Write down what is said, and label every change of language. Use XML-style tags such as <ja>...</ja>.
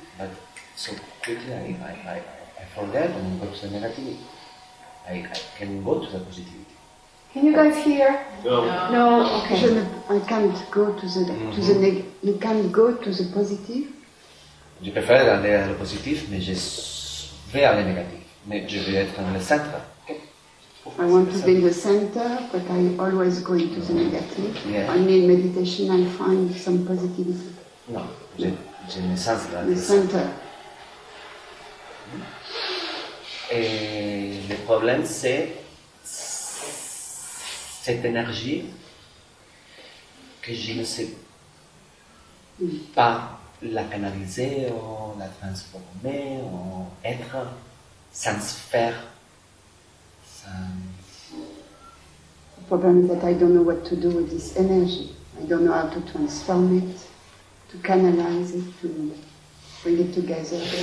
<en>But so quickly I forget and I go to the negativity. I can go to the positivity. Can you guys hear? No. No. No. Okay.</en> <fr>Je ne,</fr> <en>I can't go to the mm-hmm. to the neg. You can't go to the positive.</en> <fr>Je préfère aller à le positif, mais je vais aller négatif. Mais je vais être dans le centre.</fr> <en>I want to be in the center, but I always go into the negative. Yeah. I mean, meditation, I find some positivity.</en> <fr>No, j'ai le sens de la le center. Et le problème, c'est cette énergie que je ne sais pas la canaliser, ou la transformer, ou être sans faire.</fr> <en>The problem is that I don't know what to do with this energy. I don't know how to transform it, to canalize it, to bring it together.</en>